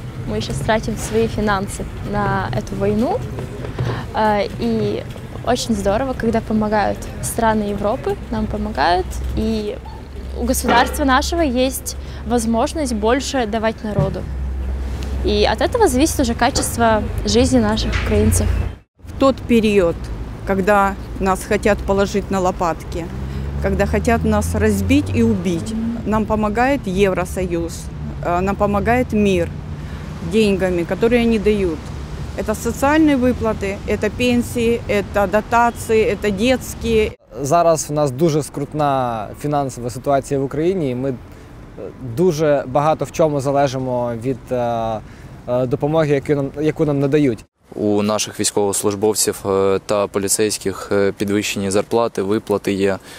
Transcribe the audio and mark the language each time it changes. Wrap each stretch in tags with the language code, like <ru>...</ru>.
<uk>Ми ще втратили свої фінанси на цю війну. І дуже здорово, коли допомагають країни Європи, нам допомагають. І у государства нашого є можливість більше давати народу. І від цього залежить вже качество життя наших українців. В той період, коли нас хочуть положити на лопатки,</uk> <ru>когда хотят нас разбить и убить. Нам помогает Евросоюз, нам помогает мир деньгами, которые они дают. Это социальные выплаты, это пенсии, это дотации, это детские.</ru> <uk>Зараз у нас дуже скрутна фінансова ситуація в Україні, і ми дуже багато в чому залежимо від допомоги, яку нам надають. У наших військовослужбовців та поліцейських підвищені зарплати, виплати є.</uk>